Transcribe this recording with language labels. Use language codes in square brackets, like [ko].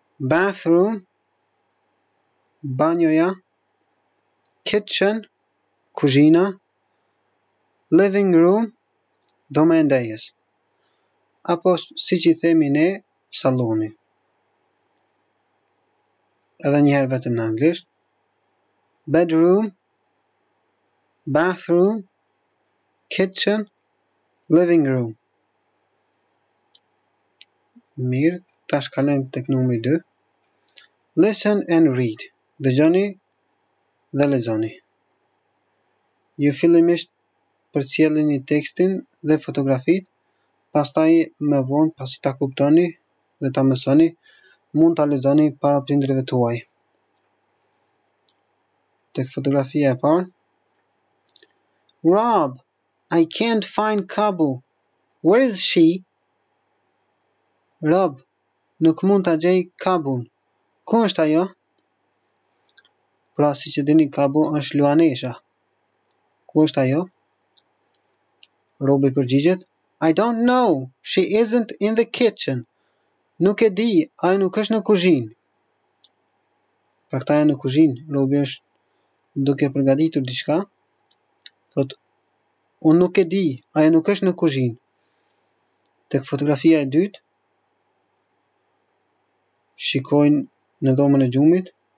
[sq] Bathroom, banjoja. Kitchen, kuzhina. Living room, dhoma e ndejes. Apo si që i themi ne, saloni. Edhe njëherë vetëm në anglisht. [en] Bedroom, bathroom, kitchen, living room. [sq] Mirë, tash kalem tek numri 2. [en] Listen and read. [sq] Dëgjoni dhe lexoni. Ju fillimisht përcjellini tekstin dhe fotografitë, pastaj më vonë pasi ta kuptoni dhe ta mësoni, mund ta lexoni para prindërve tuaj. Tek fotografia e parë. [en] Rob, I can't find Kabu. Where is she? [sq] Rob, nuk mund ta gjej Kabun. Ku është ajo? Pra, si që dini, Kabu është luanesha. Ku është ajo? Robi përgjigjet, [en] I don't know, she isn't in the kitchen. [sq] Nuk e di, ajo nuk është në kuzhinë. Pra, këta janë në kuzhinë. Robi është duke përgatitur diçka. Thot, unë nuk e di, ajo nuk është në kuzhinë. Tek fotografia e dytë, shikojnë në dhomën e gjumit.